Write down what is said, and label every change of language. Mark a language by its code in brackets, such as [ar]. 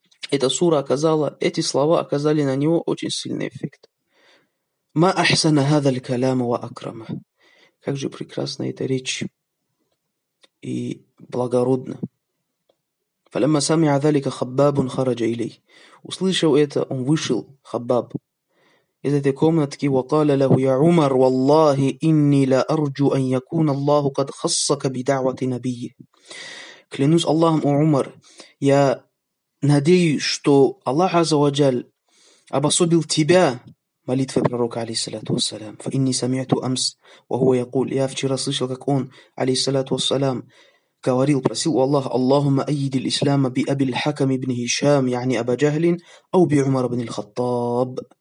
[ru] Эта сура оказала, эти слова оказали на него очень сильный эффект. [ar] Ма ахсана хадал калама ва акрама. [ru] Как же прекрасна эта речь и благородна. [ar] Фалямма самиа дзалика хаббабун хараджа илей. [ru] Услышав это, он вышел, хаббаб, из этой комнатки, [ar] وقال له يا عمر والله إني لا أرجو أن يكون الله قد خصك بدعوة نبي. [ru] Клянусь Аллахом, о Умар, я надеюсь, что Аллах Азза ва Джаль обособил тебя молитвой пророка, алейхиссалату вассалям. [ar] فإني سمعت أمس وهو يقول. [ru] Я вчера слышал, как он, алейхиссалату вассалям, говорил, просил у Аллаха, [ar] Аллахумма айди ль-Ислама би Аби ль-Хакам ибн Хишам, يعني [ru] Аба Джахлин, [ar] ау би Умар ибн ль-Хаттаб.